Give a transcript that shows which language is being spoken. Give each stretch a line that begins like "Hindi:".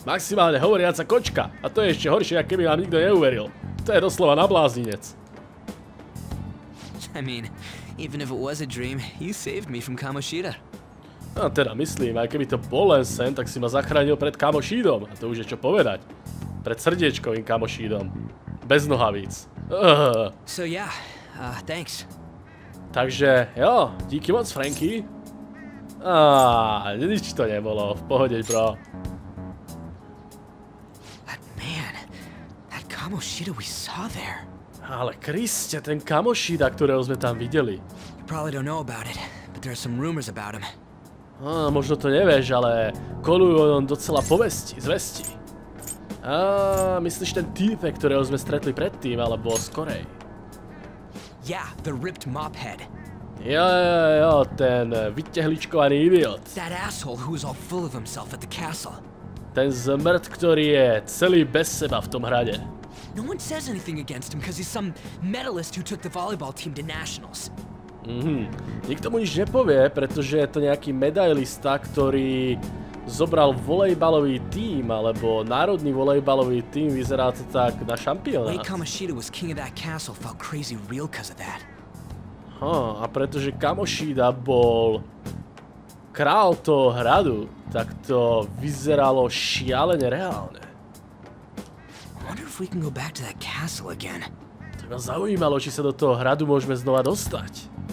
Slovak: Maximálne hovoriaca kočka. A to je ešte horšie, ako keby nám nikto neuveril. To je doslova na blázninec.
English: I mean, even if it was a dream, you saved me from Kamoshida.
Slovak: No teda myslím, aj keby to bol len sen, tak si ma zachránil pred Kamoshidom. A to už je čo povedať. Pred srdiečkovým Kamoshidom. Bez nohavíc.
English: So yeah, thanks.
Slovak: Takže, jo, díky moc, Franky. Nič to nebolo, v pohode, bro.
English: That man, that Kamoshida we saw there.
Slovak: Ale Kriste, ten Kamoshida, ktorého sme tam videli.
English: You probably don't know about it, but there are some rumors about him.
Slovak: Možno to nevieš, ale kolujú o tom docela povesti, zvesti. Myslíš ten type, ktorého sme stretli predtým, alebo skorej?
English: Yeah, the ripped mop head.
Slovak: Jo, ten vytehličkovaný idiot.
English: That asshole who is all full of himself at the castle.
Slovak: Ten zmrt, ktorý je celý bez seba v tom hrade.
English: No one says anything against him because he's some medalist who took the volleyball team to nationals.
Slovak: Nikto mu nič nepovie, pretože je to nejaký medailista, ktorý zobral volejbalový tím, alebo národný volejbalový tím, vyzerá to tak na šampionát.
English: Lake Kamoshida was king of that castle, felt crazy real cause of that.
Slovak: A pretože Kamoshida bol král toho hradu, tak to vyzeralo šialene reálne.
English: I wonder if we can go back to that castle again.
Slovak: To ma zaujímalo, či sa do toho hradu môžeme znova dostať.